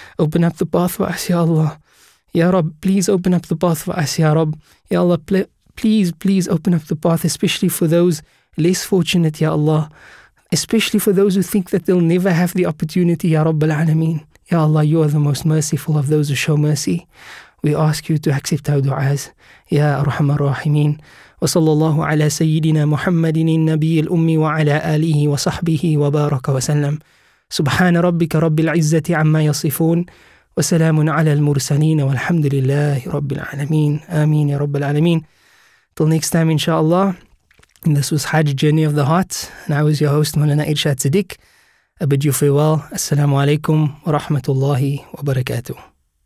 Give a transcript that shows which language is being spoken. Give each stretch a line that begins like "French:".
English: Open up the path for us, Ya Allah. Ya Rabb, please open up the path for us, Ya Rabb. Ya Allah, please open up the path, especially for those less fortunate, Ya Allah. Especially for those who think that they'll never have the opportunity, Ya Rabbil Alameen. Ya Allah, you are the most merciful of those who show mercy. We ask you to accept our du'as. Ya Arhamar Rahimeen.
Arabic: وصلى الله على سيدنا محمد النبي الأمي وعلى آله وصحبه وبارك وسلم سبحان ربك رب العزة عما يصفون وسلام على المرسلين والحمد لله رب العالمين آمين يا رب العالمين
English: Till next time inshallah. And this was Hajj Journey of the Heart, and I was your host Mulana Irshad Siddiq. I bid you farewell. Assalamu alaikum wa rahmatullahi wa barakatuh.